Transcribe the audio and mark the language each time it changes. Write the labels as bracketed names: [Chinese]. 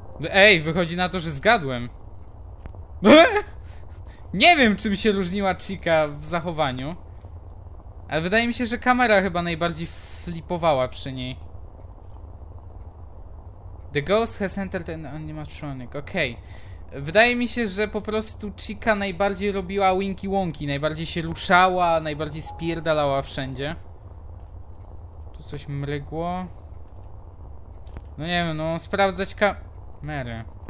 [Polish] Ej, wychodzi na to, że zgadłem. Nie wiem, czym się różniła Chica w zachowaniu. Ale wydaje mi się, że kamera chyba najbardziej flipowała przy niej. [English] The ghost has entered an animatronic. [Polish] Okej. Wydaje mi się, że po prostu Chica najbardziej robiła Winky Wonky. Najbardziej się ruszała, najbardziej spierdalała wszędzie. Tu coś mrygło. No nie wiem, no sprawdzać kamerę.